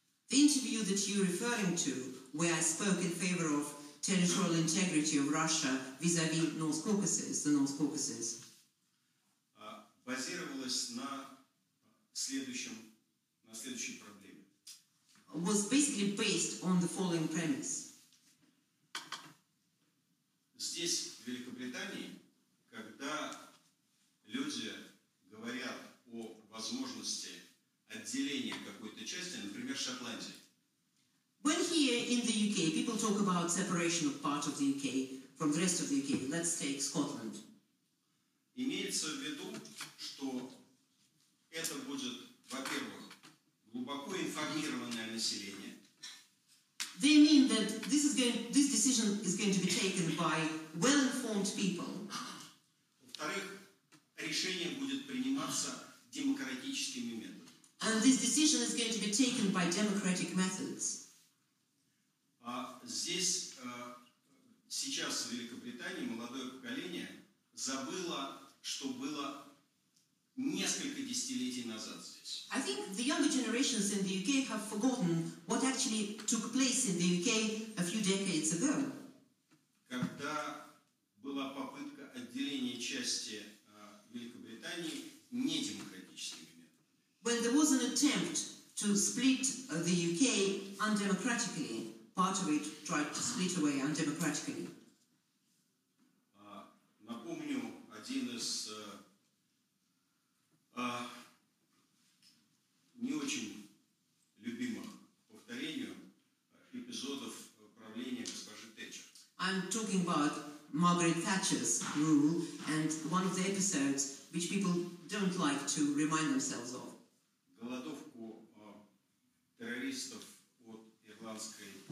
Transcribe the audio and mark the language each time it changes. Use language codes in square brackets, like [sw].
[en] The interview that you're referring to, where I spoke in favor of territorial integrity of Russia vis-à-vis North Caucasus, the North Caucasus. [ru] Базировалось на следующей проблеме. [en] Was basically based on the following premise. [ru] Здесь, в Великобритании, когда люди говорят о возможности отделения какой-то части, например, Шотландии. [en] When here in the UK, people talk about separation of part of the UK from the rest of the UK, let's take Scotland. [ru] Имеется в виду, что это будет, во-первых, глубоко информированное население. [en] They mean that this decision is going to be taken by well-informed people. [ru] Во-вторых, решение будет приниматься демократическими методами. [en] And this decision is going to be taken by democratic methods. [ru] Здесь сейчас в Великобритании молодое поколение забыло, что было несколько десятилетий назад здесь. [en] I think the younger generations in the UK have forgotten what actually took place in the UK a few decades ago. [ru] Когда была попытка отделения части Великобритании недемократическими методами. [en] When there was an attempt to split the UK undemocratically. Part of it tried to split away undemocratically. [ru] Напомню, один из не очень любимых повторений эпизодов правления госпожи Тэтчер. [en] I'm talking about Margaret Thatcher's rule and one of the episodes which people don't like to remind themselves of. [ru] Голодовку террористов от ирландской